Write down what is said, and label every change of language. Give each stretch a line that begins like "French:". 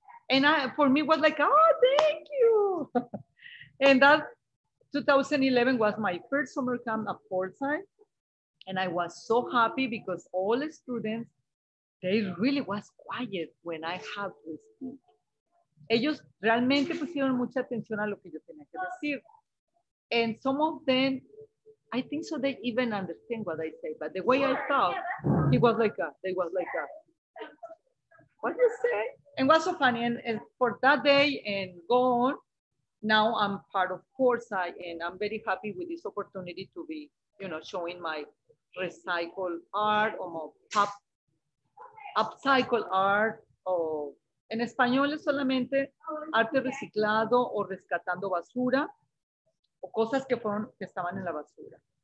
English: And I, for me, was like, oh, thank you. And that 2011 was my first summer camp at Portside. And I was so happy because all the students, they really was quiet when I had to speak.
Spanish: Ellos realmente pusieron mucha atención a lo que yo tenía que decir.
English: And some of them, I think so they even understand what I say, but the way I talk, they was like, what do you say? And it was so funny. And for that day and go on, now I'm part of Foresight and I'm very happy with this opportunity to be, you know, showing my recycled art or my pop, upcycle art or
Spanish: en español es solamente arte reciclado o rescatando basura o cosas que fueron, que estaban en la basura.